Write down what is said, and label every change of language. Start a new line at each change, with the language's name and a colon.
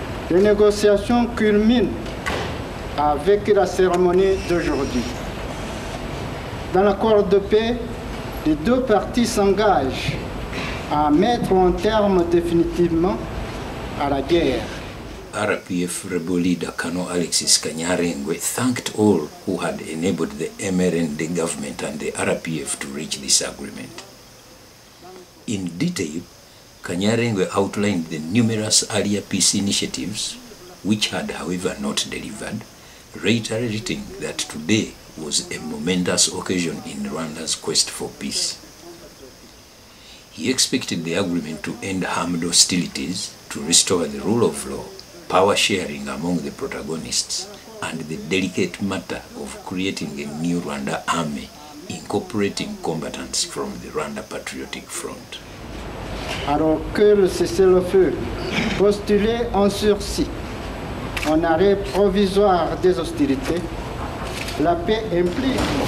French: Les négociations culminent avec la cérémonie d'aujourd'hui. Dans l'accord de paix, les deux parties s'engagent à mettre un terme définitivement à la guerre.
English: RPF rebel leader Colonel Alexis Kanyarengwe thanked all who had enabled the MRND government and the RPF to reach this agreement. In detail, Kanyarengwe outlined the numerous earlier peace initiatives, which had, however, not delivered, reiterating that today was a momentous occasion in Rwanda's quest for peace. He expected the agreement to end armed hostilities, to restore the rule of law, power sharing among the protagonists, and the delicate matter of creating a new Rwanda army, incorporating combatants from the Rwanda Patriotic Front.
French: Alors que le cessez-le-feu postulait en sursis, en arrêt provisoire des hostilités, la paix implique